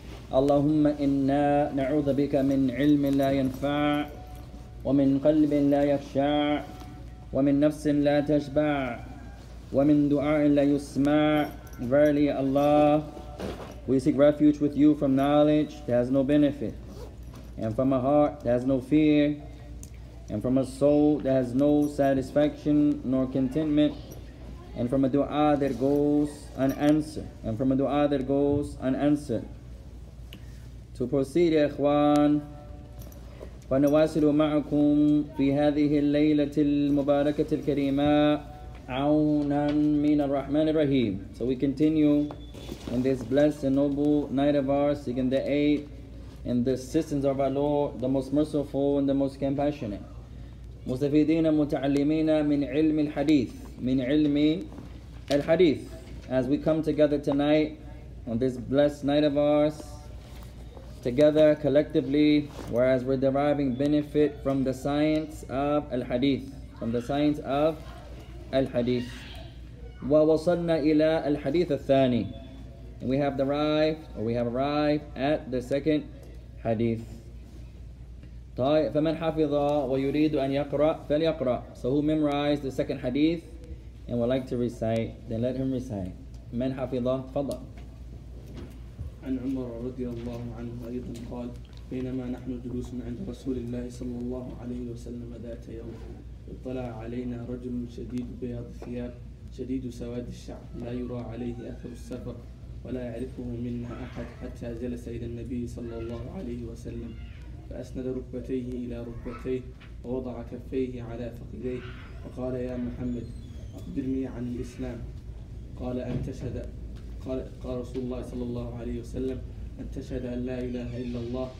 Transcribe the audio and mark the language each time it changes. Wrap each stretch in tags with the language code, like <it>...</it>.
<ar>Allahumma inna na'udha bika min ilmin la yanfa' ومن قلب لا يخشع ومن نفس لا تشبع ومن دعاء لا يسمع</ar> <en>Verily Allah, we seek refuge with you from knowledge that has no benefit, and from a heart that has no fear, and from a soul that has no satisfaction nor contentment, and from a dua that goes unanswered, and from a dua that goes unanswered. To proceed, ya ikhwan,</en> <ar>فنواصل معكم في هذه الليلة المباركة الكريمة عونا من الرحمن الرحيم.</ar> <en>So we continue in this blessed and noble night of ours, seeking the aid and the assistance of our Lord, the most merciful and the most compassionate.</en> <ar>مستفيدين متعلمين من علم الحديث من علم الحديث.</ar> <en>As we come together tonight on this blessed night of ours, together, collectively, whereas we're deriving benefit from the science of al-hadith, from the science of al-hadith.</en> <ar>وَوَصَلْنَا إِلَىٰ الْحَدِيثِ الثَّانِي.</ar> <en>And we have derived, or we have arrived at the second hadith.</en> <ar>طيب فَمَنْ حَفِظَ وَيُرِيدُ أَنْ يَقْرَأ فَلْيَقْرَأ.</ar> <en>So who memorized the second hadith and would like to recite, then let him recite.</en> <ar>مَنْ حَفِظَ فَضَّلْ. عن عمر رضي الله عنه أيضا قال بينما نحن جلوس عند رسول الله صلى الله عليه وسلم ذات يوم اطلع علينا رجل شديد بياض الثياب شديد سواد الشعر لا يرى عليه أثر السفر ولا يعرفه منا أحد حتى جلس إلى النبي صلى الله عليه وسلم فأسند ركبتيه إلى ركبتيه ووضع كفيه على فخذيه وقال يا محمد أخبرني عن الإسلام قال أن تشهد قال رسول الله صلى الله عليه وسلم أن تشهد أن لا إله إلا الله</ar>